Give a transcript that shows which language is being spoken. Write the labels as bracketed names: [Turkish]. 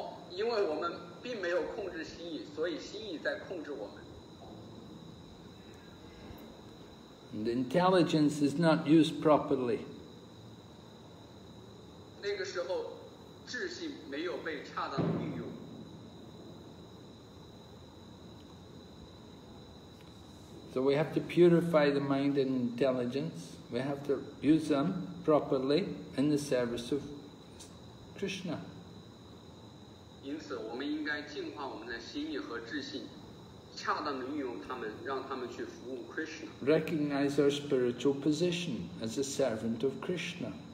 [Chinese] 因为我们并没有控制心意，所以心意在控制我们。 [English] And intelligence is not used properly. [Chinese] 那个时候，智性没有被恰当的运用。 [English] So we have to purify the mind and intelligence. We have to use them properly in the service of Krishna. [Chinese] 因此我们应该净化我们的心意和智性，恰当地运用它们，让它们去服务 Krishna. [English] Recognize our spiritual position as a servant of Krishna.